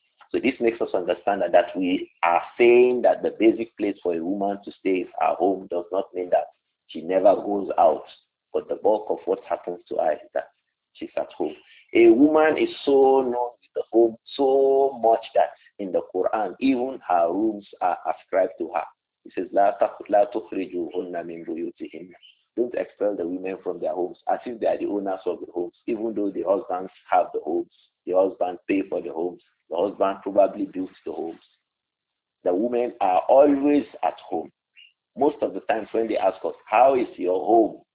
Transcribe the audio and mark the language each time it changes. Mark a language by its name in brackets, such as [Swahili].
[English] So this makes us understand that we are saying that the basic place for a woman to stay is her home does not mean that she never goes out. But the bulk of what happens to her is that she's at home. A woman is so known in the home so much that in the Quran, even her rooms are ascribed to her. He says, [Arabic] لا تخرجوهن من بيوتهن. [English] Don't expel the women from their homes, as if they are the owners of the homes, even though the husbands have the homes. The husband pay for the homes. The husband probably built the homes. The women are always at home. Most of the times when they ask us, how is your home?